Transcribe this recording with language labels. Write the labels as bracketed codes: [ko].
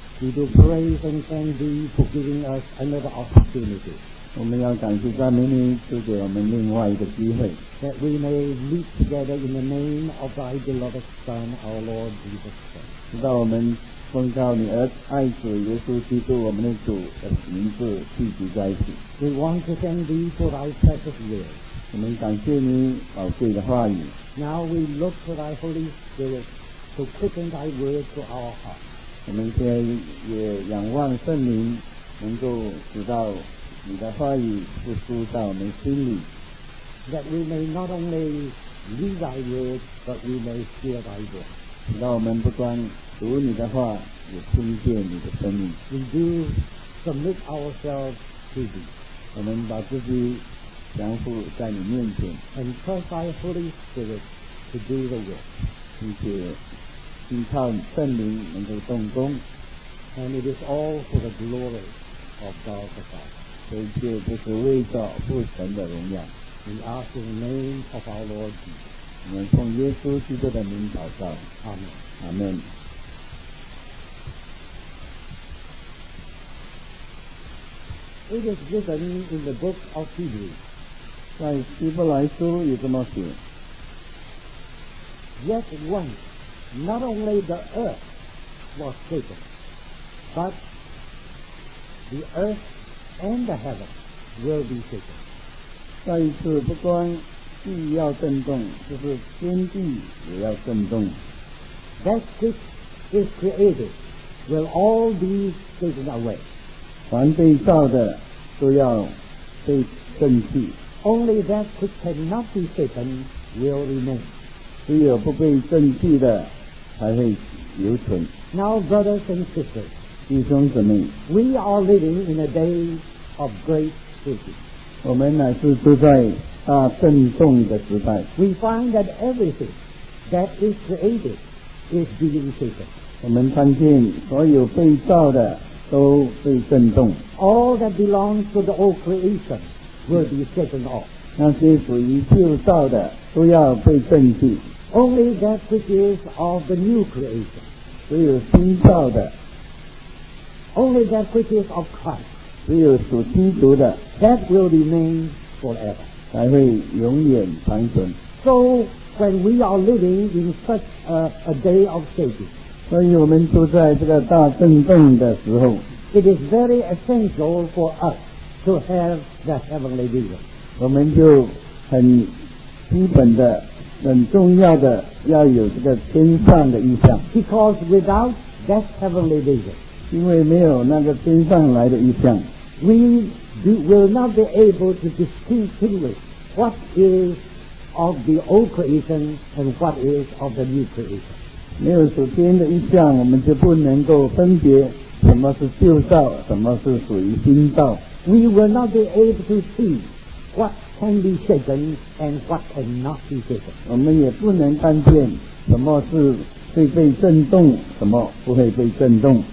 [en] We do praise and thank thee for giving us another opportunity. [zh] 我们要感谢赞美你赐给我们另外一个机会 [en] That we may meet together in the name of thy beloved Son, our Lord Jesus Christ. [zh] 直到我们奉告你儿子爱子耶稣基督我们的主的名字聚集在一起 [en] We want to thank thee for thy precious word. [zh] 我们感谢你宝贵的话语 [en] Now we look for thy Holy Spirit. To quicken thy word to our heart. [zh] 我们现在也仰望圣灵，能够知道你的话语复苏到我们心里。 [en] That we may not only read thy word, but we may hear thy voice. [zh] 让我们不光读你的话，也听见你的声音。 [en] We do submit ourselves to thee. [zh] 我们把自己降服在你面前。 [en] And trust thy Holy Spirit to do the work. [zh] 并且依靠圣灵能够动工 [en] and it is all for the glory of God the Father. [zh] 一切都是为着父神的荣耀。 [en] We ask in the name of our Lord Jesus. [zh] 我们奉耶稣基督的名祷告。 [en] Amen. Amen. [zh] 这个是在圣经 [en] in the book of Hebrews. [zh] 在希伯来书有这么写。 [en] Yet one. Not only the earth was shaken, but the earth and the heaven will be shaken. [zh] 再一次，不光地要震动，就是天地也要震动。 [en] That which is created will all be shaken away. [zh] 凡被造的都要被震去。 [en] Only that which cannot be shaken will remain. [zh] 只有不被震去的。才会留存 [en] Now brothers and sisters [zh] 弟兄姊妹 [en] We are living in a day of great shaking [zh] 我们乃是住在大震动的时代 [en] We find that everything that is created is being shaken [zh] 我们看见所有被造的都被震动 [en] All that belongs to the old creation will be shaken off [zh] 那些属于旧造的都要被震去 [en] Only that which is of the new creation. [zh] 只有新造的。 [en] Only that which is of Christ. [zh] 只有属基督的。 [en] That will remain forever. [zh] 才会永远长存。 [en] So when we are living in such a day of shaking. [zh] 所以我们住在这个大震动的时候。 [en] It is very essential for us to have the heavenly vision. [zh] 我们就很基本的很重要的要有这个天上的意象 [en] Because without that heavenly vision [zh] 因为没有那个天上来的意象 [en] We will not be able to distinguish what is of the old creation and what is of the new creation [zh] 没有属天的意象我们就不能够分别什么是旧造什么是属于新造 [en] We will not be able to see whatcan be shaken and what cannot be shaken [zh] 我们也不能看见什么是会被震动什么不会被震动